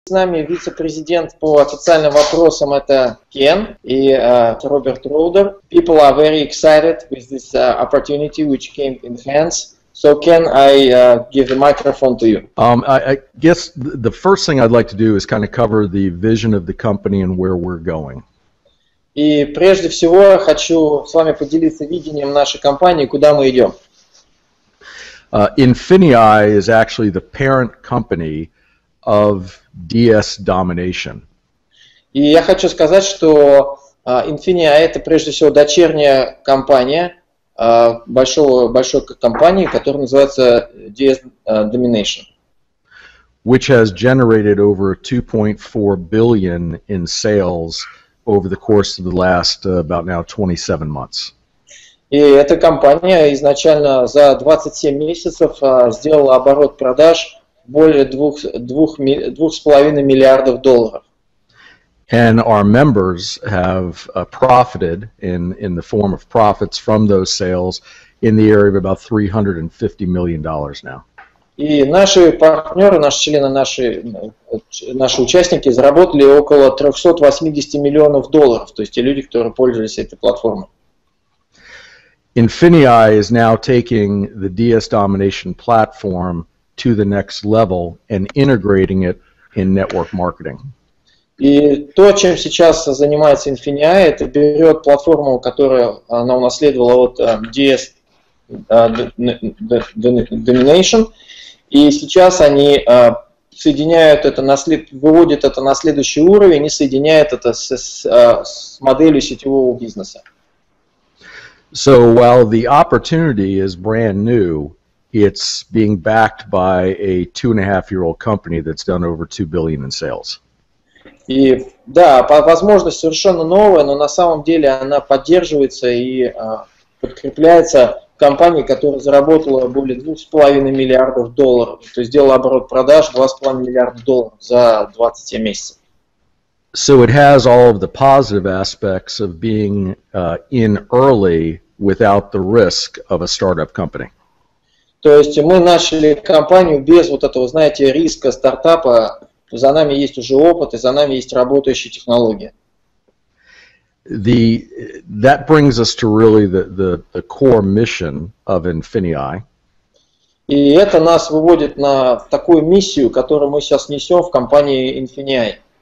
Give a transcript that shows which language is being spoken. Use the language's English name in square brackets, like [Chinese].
[Russian] нами вице-президент по официальным вопросам, это Кен и Роберт Роудер. [English] People are very excited with this opportunity which came in hands. So Ken, I give the microphone to you. I guess the first thing I'd like to do is kind of cover the vision of the company and where we're going. [Russian] И прежде всего хочу с вами поделиться видением нашей компании, куда мы идем. [English] Infinii is actually the parent company of DS Domination. [Russian] И я хочу сказать, что Infinii это прежде всего дочерняя компания большой компании, которая называется DS Domination. [English] Which has generated over 2.4 billion in sales over the course of the last about now 27 months. [Russian] И эта компания изначально за 27 месяцев сделала оборот продаж более 2.5 миллиардов долларов. [English] And our members have profited in the form of profits from those sales in the area of about $350 million now. [Russian] И наши партнеры, наши члены, наши участники заработали около 380 миллионов долларов, то есть те люди, которые пользовались этой платформой. [English] Infinii is now taking the DS Domination platform to the next level and integrating it in network marketing. [Russian] И то, чем сейчас занимается Infinii, это берет платформу, которую она унаследовала от DS Domination, и сейчас они соединяют это выводят это на следующий уровень и соединяют это с моделью сетевого бизнеса. [English] So while the opportunity is brand new, it's being backed by a 2.5-year-old company that's done over 2 billion in sales. [Russian] И да, возможность совершенно новая, но на самом деле она поддерживается и подкрепляется компании, которая заработала более 2.5 миллиардов долларов, то есть сделала оборот продаж 2.5 миллиарда долларов за 27 месяцев. [English] So it has all of the positive aspects of being in early without the risk of a startup company. [Russian] То есть мы начали компанию без вот этого, знаете, риска стартапа. За нами есть уже опыт и за нами есть работающие технологии. [English] That brings us to really the core mission of Infinii. [Russian] И это нас выводит на такую миссию, которую мы сейчас несем в компании Infinii.